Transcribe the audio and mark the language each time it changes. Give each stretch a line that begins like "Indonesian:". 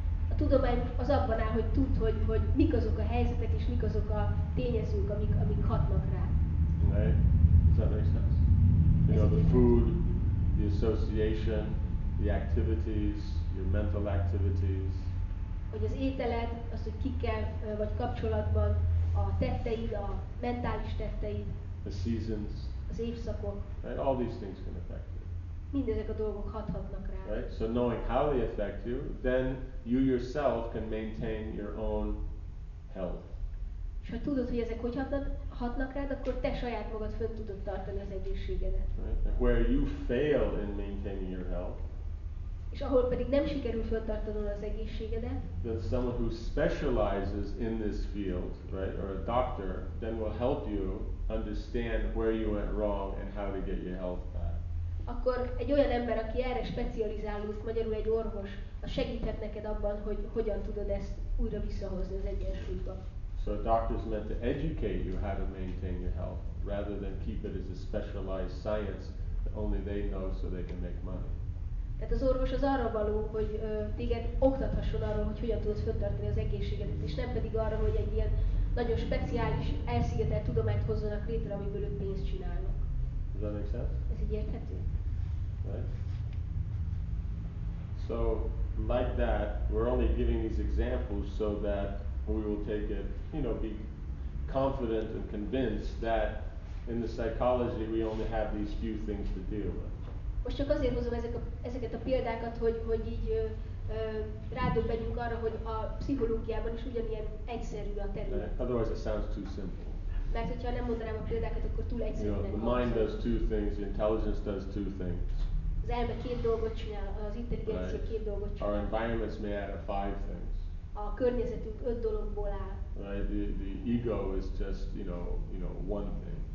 Hungarian: A tudomány az abban áll, hogy tud, hogy mik azok a helyzetek és mik azok a tényezők, amik hatnak rá.
English: Right? Does that make sense? You know, the food, the association, the activities, your mental activities.
Hungarian: Hogy az ételed, az, hogy kikkel vagy kapcsolatban, a tetteid, a mentális tetteid.
English: The seasons.
Hungarian: Az évszakok.
English: Right? All these things can affect you.
Hungarian: Mindezek a dolgok hathatnak rá.
English: Right? So knowing how they affect you, then you yourself can maintain your own health.
Hungarian: És ha tudod, hogy ezek hogy hatnak rád, akkor te saját magad fönn tudod tartani az egészségedet.
English: Right? Where you fail in maintaining your health,
Hungarian: és ahol pedig nem sikerül föntartanod az egészségedet,
English: then someone who specializes in this field, right, or a doctor, then will help you understand where you went wrong and how to get your health back.
Hungarian: Akkor egy olyan ember, aki erre specializálódik, magyarul egy orvos, az segíthet neked abban, hogy hogyan tudod ezt újra visszahozni az egyensúlyba.
English: So a doctor is meant to educate you how to maintain your health, rather than keep it as a specialized science that only they know so they can make money.
Hungarian: Tehát az orvos az arra való, hogy téged oktathasson arról, hogy hogyan tudod föntartani az egészségedet, és nem pedig arra, hogy egy ilyen nagyon speciális, elszigetelt tudományt hozzanak létre, amiből ők pénzt csinálnak.
English: Does that make sense?
Hungarian: Ez így érthető?
English: Right. So, like that, we're only giving these examples so that we will take it, you know, be confident and convinced that in the psychology we only have these few things to deal with.
Hungarian: Most csak azért hozom ezeket a példákat, hogy így rádöbbenjünk arra, hogy a pszichológiában is ugyanilyen egyszerű a terület.
English: Otherwise it sounds too simple.
Hungarian: Mert hogyha nem mondanám a példákat, akkor túl egyszerűnek hangzik.
English: The mind does two things, the intelligence does two things.
Hungarian: Az elme két dolgot csinál, az intelligencia két dolgot csinál.
English: Our environments may add five things.
Hungarian: A környezetünk öt dologból áll.
English: Right, the ego is just, you know, one thing.